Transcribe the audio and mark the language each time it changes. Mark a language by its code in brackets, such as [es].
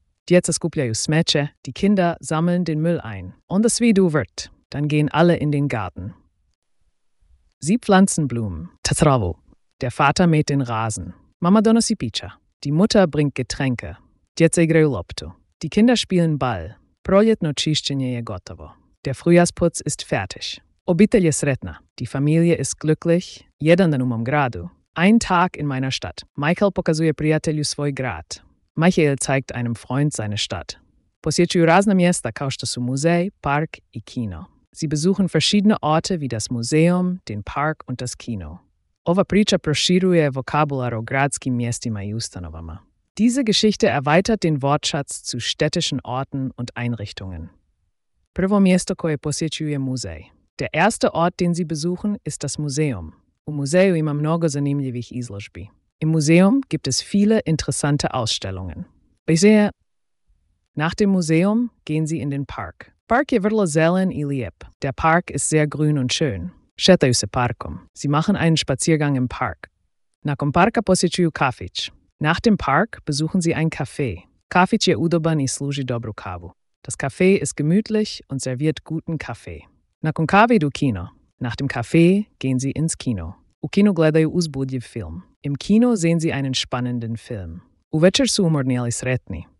[hr] Djeca skupljaju smeće. [de] Die Kinder sammeln den Müll ein. [hr] Onda svi idu vrt. [de] Dann gehen alle in den Garten. Sie pflanzen Blumen. Tatravo. Der Vater mäht den Rasen. [hr] Mama donosi pića. [de] Die Mutter bringt Getränke. [hr] Djeca igraju loptu. [de] Die Kinder spielen Ball. [hr] Proljetno čišćenje je gotovo. [de] Der Frühjahrsputz ist fertig. [hr] Obitelj je sretna. [de] Die Familie ist glücklich. [hr] Jedan dan u mom gradu. [de] Ein Tag in meiner Stadt. [hr] Michael pokazuje prijatelju svoj grad. [de] Michael zeigt einem Freund seine Stadt. [hr] Posjećuju razna mjesta kao što su muzej, park i kino. [de] Sie besuchen verschiedene Orte wie das Museum, den Park und das Kino. [hr] Ova priča proširuje vokabular o gradskim mjestima i ustanovama. [de] Diese Geschichte erweitert den Wortschatz zu städtischen Orten und Einrichtungen. [hr] Prvo mjesto koje posjećuje muzej. [de] Der erste Ort, den sie besuchen, ist das Museum. [hr] U muzeju ima mnogo zanimljivih izložbi. [de] Im Museum gibt es viele interessante Ausstellungen. Bisher. Nach dem Museum gehen sie in den Park. [hr] Park je vrlo zelen i lijep. [de] Der Park ist sehr grün und schön. [hr] Šetaju se parkom. [de] Sie machen einen Spaziergang im Park. [hr] Nakon parka posjećuju kafić. [de] Nach dem Park besuchen sie ein Café. [hr] Kafić je udoban i služi dobru kavu. [de] Das Café ist gemütlich und serviert guten Kaffee. [hr] Nakon kave idu kino. [de] Nach dem Café gehen sie ins Kino. [hr] U kino gledaju uzbudljiv film. [de] Im Kino sehen sie einen spannenden Film. [hr] Uvečer su umorni, ali sretni.